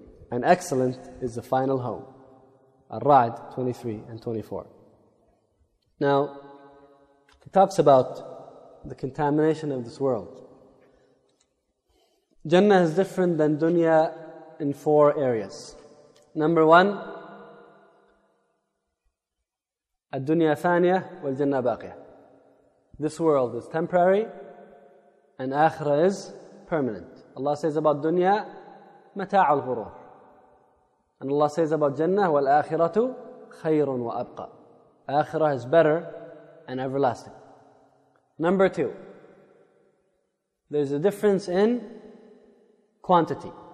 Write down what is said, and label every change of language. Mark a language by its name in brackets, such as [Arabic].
[English] And excellent is the final home. Ar-Ra'd 23 and 24. Now, He talks about the contamination of this world. Jannah is different than dunya in four areas. Number one, [Arabic] الدُّنْيَا ثَانِيَةً وَالْجَنَّةَ بَاقِيَةً. [English] This world is temporary and akhira is permanent. Allah says about dunya, [Arabic] مَتَاعُ الْغُرُورِ. [English] And Allah says about Jannah, [Arabic] وَالْآخِرَةُ خَيْرٌ وَأَبْقَى. [English] Akhira is better and everlasting. Number two, there's a difference in quantity.